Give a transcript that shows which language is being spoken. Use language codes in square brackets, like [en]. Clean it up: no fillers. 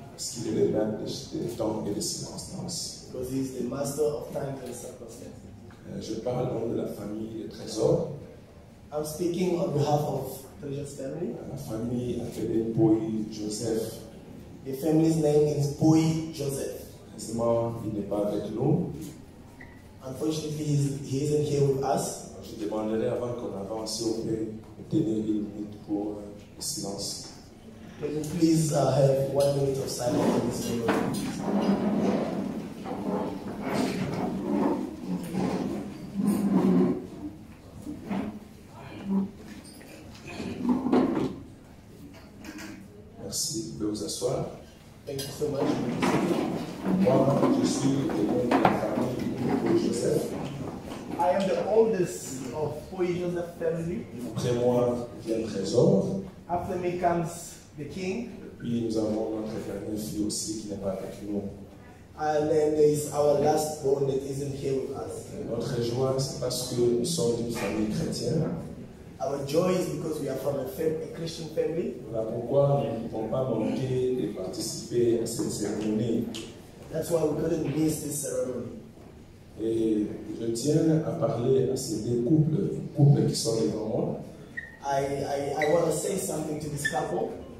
[fr] Parce qu'il est le maître de temps et de circonstances. [en] Because he is the master of time and circumstances. [fr] Je parle au nom de la famille de Trésor. [en] I'm speaking on behalf of Treasure's family. [fr] La famille appelée Boy Joseph. [en] The family's name is Boy Joseph. [fr] Il n'est pas avec nous. [en] Unfortunately, he isn't here with us. [fr] Je demanderai avant qu'on avance au pied de tenir une minute pour le silence. [en] Can you please have 1 minute of silence in this moment? [fr] Merci de vous asseoir. [en] Thank you so much. [fr] Moi, je suis le nom de la famille de Boy Joseph. [en] I am the oldest of Boy Joseph family. [fr] Après moi, vient Trésor. [en] After me comes the king. [fr] Puis nous avons notre dernier fils aussi qui n'est pas avec nous. [en] And then there is our last born that isn't here with us. [fr] Notre joie, c'est parce que nous sommes d'une famille chrétienne. [en] Our joy is because we are from a Christian family. [fr] Voilà pourquoi nous ne pouvons pas manquer de participer à cette cérémonie. [en] That's why we couldn't miss this ceremony. [fr] Et je tiens à parler à ces deux couples, couples qui sont devant moi. [en] I want to say something to this couple.